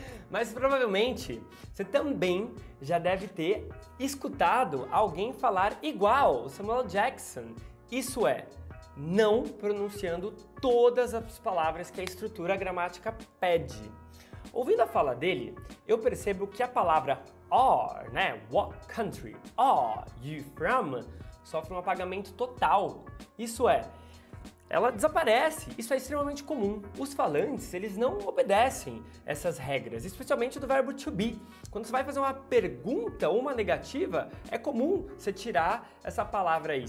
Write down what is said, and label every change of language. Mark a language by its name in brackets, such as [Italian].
[Portuguese] Mas provavelmente você também já deve ter escutado alguém falar igual o Samuel Jackson. Isso é, não pronunciando todas as palavras que a estrutura gramática pede. Ouvindo a fala dele, eu percebo que a palavra are, né? [English] What country are you from? [Portuguese] Sofre um apagamento total. Isso é, ela desaparece. Isso é extremamente comum. Os falantes, eles não obedecem essas regras, especialmente do verbo to be. Quando você vai fazer uma pergunta ou uma negativa, é comum você tirar essa palavra aí.